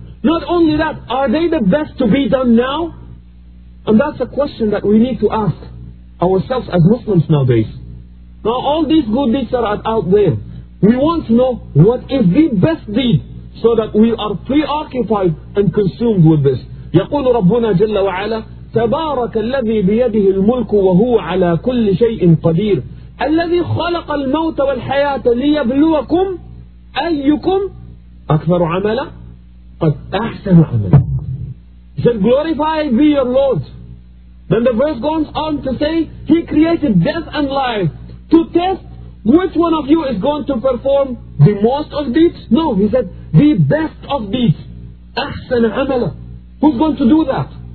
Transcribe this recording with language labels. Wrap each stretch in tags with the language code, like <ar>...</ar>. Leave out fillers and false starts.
<en>Not only that, are they the best to be done now? And that's a question that we need to ask ourselves as Muslims nowadays. Now all these good deeds are out there. We want to know what is the best deed so that we are preoccupied and consumed with this.</en> <ar>يقول ربنا جل وعلا تبارك الذي بيده الملك وهو على كل شيء قدير الذي خلق الموت والحياة ليبلوكم أيكم أكثر عملا قد أحسن عملا.</ar> <en>He said, glorify be your Lord. Then the verse goes on to say, he created death and life to test which one of you is going to perform the most of deeds. No, he said, the best of deeds.</en> <ar>أحسن عملا.</ar> <en>Who's going to do that?</en>